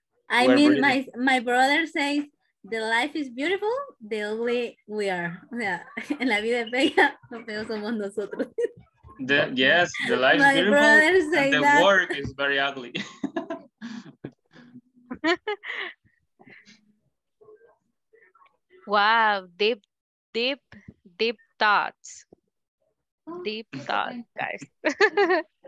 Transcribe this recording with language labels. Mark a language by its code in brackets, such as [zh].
[en] I mean, my brother says the life is beautiful, the ugly we are. [es] Yeah, en la vida bella, lo peor somos nosotros. [en] The life is beautiful, and the work is very ugly. Wow, deep thoughts. Deep thoughts, guys.